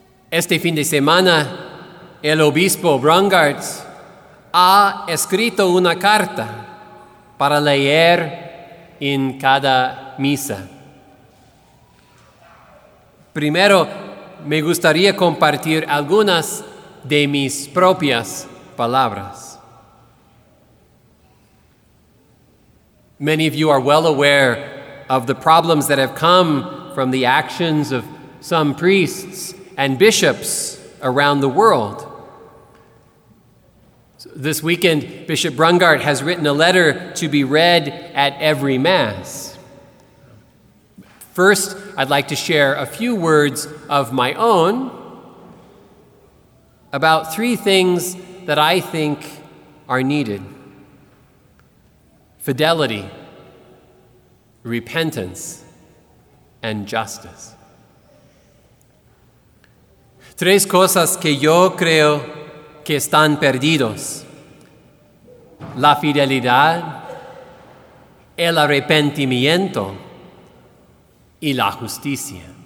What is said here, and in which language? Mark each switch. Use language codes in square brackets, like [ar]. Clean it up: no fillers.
[es] Este fin de semana, el obispo Brungardt ha escrito una carta para leer en cada misa. Primero, me gustaría compartir algunas de mis propias palabras. [en] Many of you are well aware of the problems that have come from the actions of some priests and bishops around the world. This weekend, Bishop Brungardt has written a letter to be read at every Mass. First, I'd like to share a few words of my own about three things that I think are needed: fidelity, repentance, and justice. [es] Tres cosas que yo creo que están perdidos: la fidelidad, el arrepentimiento y la justicia.